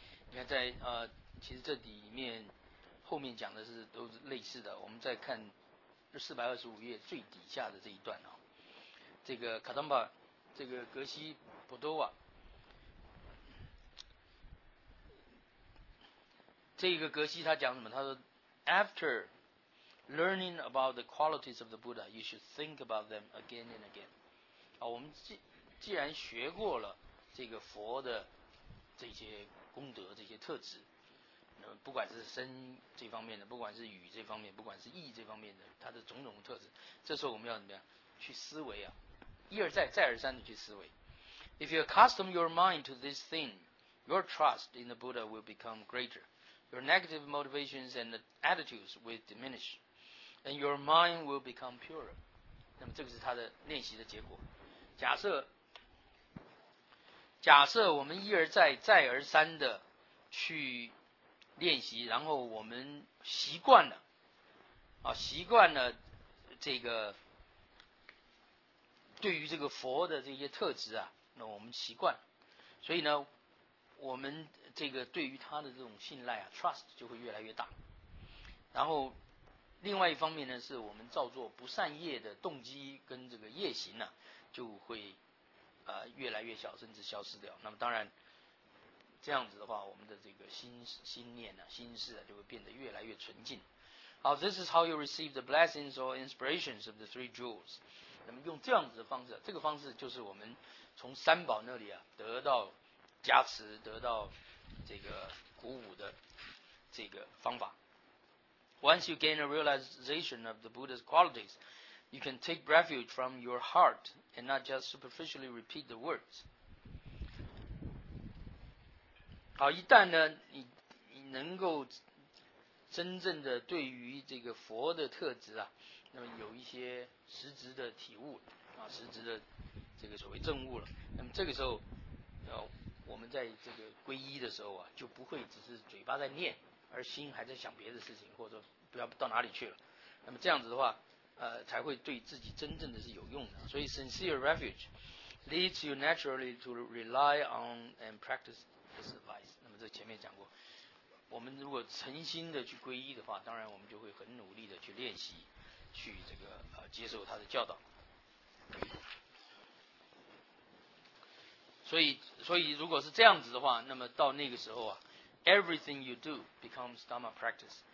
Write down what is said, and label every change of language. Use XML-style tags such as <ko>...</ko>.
<zh>你看在其实这里面后面讲的是都是类似的，我们再看425页最底下的这一段啊、哦、这个卡当巴这个格西普多瓦这个格西他讲什么？他说</zh> <en>，After learning about the qualities of the Buddha, you should think about them again and again.</en> <zh>啊，我们既然学过了这个佛的这些功德、这些特质，那么不管是身这方面的，不管是语这方面，不管是意这方面的，它的种种特质，这时候我们要怎么样去思维啊？一而再，再而三的去思维。</zh> <en>If you accustom your mind to this thing, your trust in the Buddha will become greater. Your negative motivations and attitudes will diminish, and your mind will become purer.</en> <zh>那么这个是他的练习的结果。假设我们一而再、再而三的去练习，然后我们习惯了这个对于这个佛的这些特质啊，那我们习惯了，所以呢，我们。这个对于他的这种信赖啊 ，trust 就会越来越大。然后，另外一方面呢，是我们造作不善业的动机跟这个业行呢、就会越来越小，甚至消失掉。那么当然，这样子的话，我们的这个心念呢、心事啊，就会变得越来越纯净。</zh> <en>好 ，this is how you receive the blessings or inspirations of the three jewels。</en> <zh>那么用这样子的方式，这个方式就是我们从三宝那里啊得到。加持得到这个鼓舞的这个方法。</zh> <en>Once you gain a realization of the Buddha's qualities, you can take refuge from your heart and not just superficially repeat the words.</en> <zh>好，一旦呢 你能够真正的对于这个佛的特质啊，那么有一些实质的体悟啊，实质的这个所谓证悟了，那么这个时候我们在这个皈依的时候啊，就不会只是嘴巴在念，而心还在想别的事情，或者说不要到哪里去了。那么这样子的话，才会对自己真正的是有用的。</zh> <en>所以 ，sincere refuge leads you naturally to rely on and practice this advice。</en> <zh>那么这前面讲过，我们如果诚心的去皈依的话，当然我们就会很努力的去练习，去这个接受他的教导。所以如果是这样子的话，那么到那个时候啊 ，</zh> <en>everything you do becomes Dharma practice。</en>